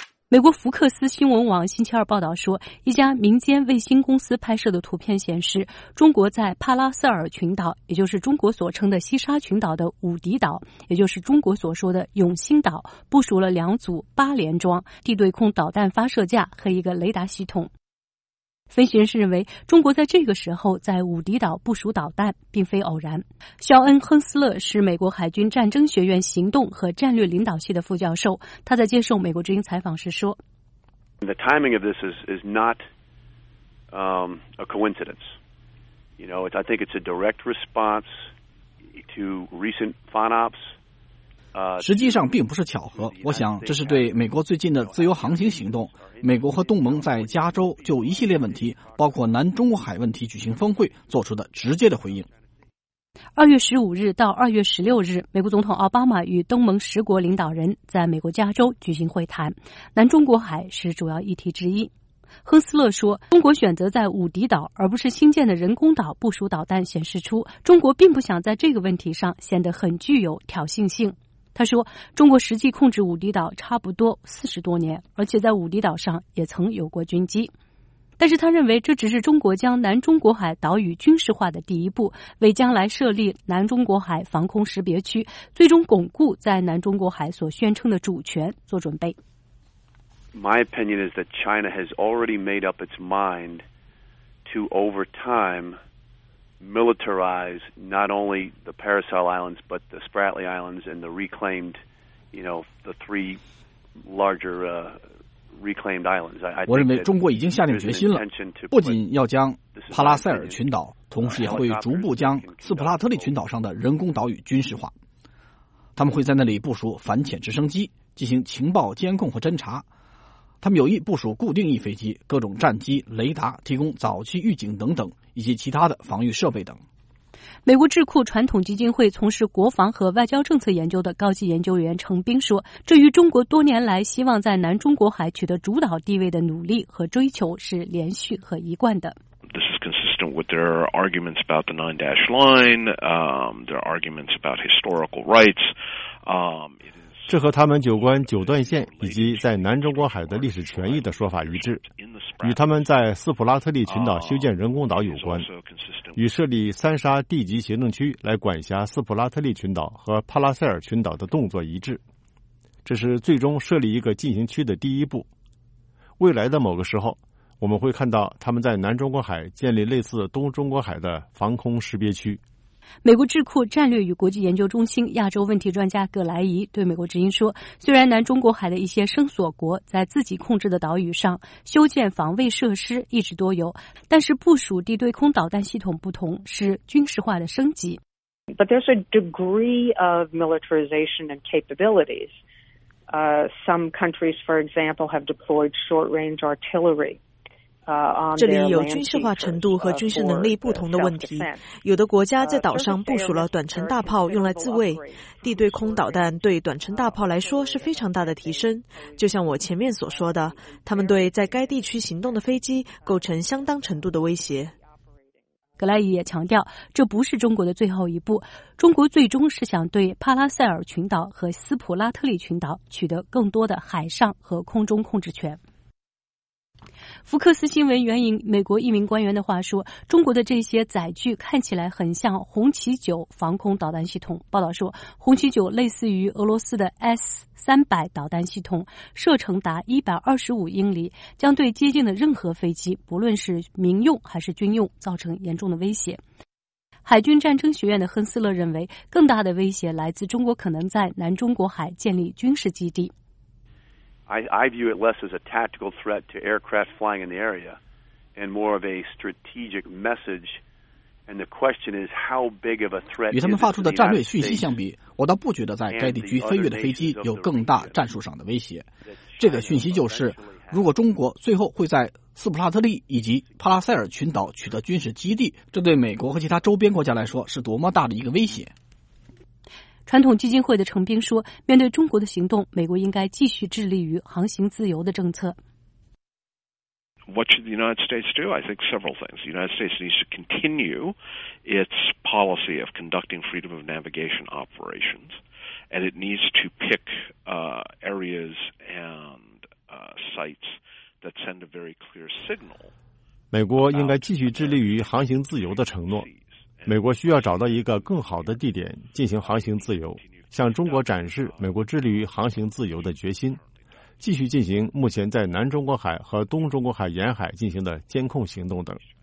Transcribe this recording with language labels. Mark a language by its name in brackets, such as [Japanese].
[Chinese] 美国福克斯新闻网星期二报道说，一家民间卫星公司拍摄的图片显示，中国在帕拉塞尔群岛，也就是中国所称的西沙群岛的武迪岛，也就是中国所说的永兴岛，部署了两组八连装地对空导弹发射架和一个雷达系统。分析人士认为，中国在这个时候在武迪岛部署导弹并非偶然。肖恩·亨斯勒是美国海军战争学院行动和战略领导系的副教授，他在接受美国之音采访时说， [English] The timing of this is not a coincidence. You know, I think it's a direct response to recent FONOPS. [Chinese] 实际上并不是巧合，我想这是对美国最近的自由航行行动，美国和东盟在加州就一系列问题，包括南中国海问题举行峰会做出的直接的回应。 2月15日到2月16日，美国总统奥巴马与东盟十国领导人在美国加州举行会谈，南中国海是主要议题之一。亨斯勒说，中国选择在武迪岛而不是新建的人工岛部署导弹，显示出中国并不想在这个问题上显得很具有挑衅性。他说，中国实际控制武迪岛差不多40多年，而且在武迪岛上也曾有过军机。但是他认为，这只是中国将南中国海岛屿军事化的第一步，为将来设立南中国海防空识别区，最终巩固在南中国海所宣称的主权做准备。 [English] My opinion is that China has already made up its mind to over time militarize not only the Paracel Islands but the Spratly Islands and the reclaimed, you know, the three larger reclaimed islands. [Chinese] 我认为中国已经下定决心了，不仅要将帕拉塞尔群岛，同时也会逐步将斯普拉特利群岛上的人工岛屿军事化。他们会在那里部署反潜直升机，进行情报监控和侦查。他们有意部署固定翼飞机、各种战机、雷达，提供早期预警等等，以及其他的防御设备等。美国智库传统基金会从事国防和外交政策研究的高级研究员程兵说，这与中国多年来希望在南中国海取得主导地位的努力和追求是连续和一贯的。 [English] This is consistent with their arguments about the nine-dash line, their arguments about historical rights. [Chinese] 这和他们有关九段线以及在南中国海的历史权益的说法一致，与他们在斯普拉特利群岛修建人工岛有关，与设立三沙地级行政区来管辖斯普拉特利群岛和帕拉塞尔群岛的动作一致。这是最终设立一个禁行区的第一步。未来的某个时候，我们会看到他们在南中国海建立类似东中国海的防空识别区。美国智库战略与国际研究中心亚洲问题专家葛莱仪对美国之音说，虽然南中国海的一些生索国在自己控制的岛屿上修建防卫设施一直多有，但是部署地对空导弹系统不同，是军事化的升级。 [English] But there's a degree of militarization and capabilities. Some countries, for example, have deployed short-range artillery. [Chinese] 这里有军事化程度和军事能力不同的问题。有的国家在岛上部署了短程大炮用来自卫，地对空导弹对短程大炮来说是非常大的提升。就像我前面所说的，他们对在该地区行动的飞机构成相当程度的威胁。格莱伊也强调，这不是中国的最后一步，中国最终是想对帕拉塞尔群岛和斯普拉特利群岛取得更多的海上和空中控制权。福克斯新闻援引美国一名官员的话说，中国的这些载具看起来很像红旗九防空导弹系统。报道说，红旗九类似于俄罗斯的 S-300 导弹系统，射程达125英里，将对接近的任何飞机，不论是民用还是军用，造成严重的威胁。海军战争学院的亨斯勒认为，更大的威胁来自中国可能在南中国海建立军事基地。 [English] I view it less as a tactical threat to aircraft flying in the area, and more of a strategic message. And the question is, how big of a threat? [Chinese] 与他们发出的战略讯息相比，我倒不觉得在该地区飞越的飞机有更大战术上的威胁。这个讯息就是，如果中国最后会在斯普拉特利以及帕拉塞尔群岛取得军事基地，这对美国和其他周边国家来说是多么大的一个威胁。传统基金会的程兵说，面对中国的行动，美国应该继续致力于航行自由的政策。 [English] What should the United States do? I think several things. The United States needs to continue its policy of conducting freedom of navigation operations, and it needs to pick areas and sites that send a very clear signal. [Chinese] 美国应该继续致力于航行自由的承诺。美国需要找到一个更好的地点进行航行自由，向中国展示美国致力于航行自由的决心，继续进行目前在南中国海和东中国海沿海进行的监控行动等。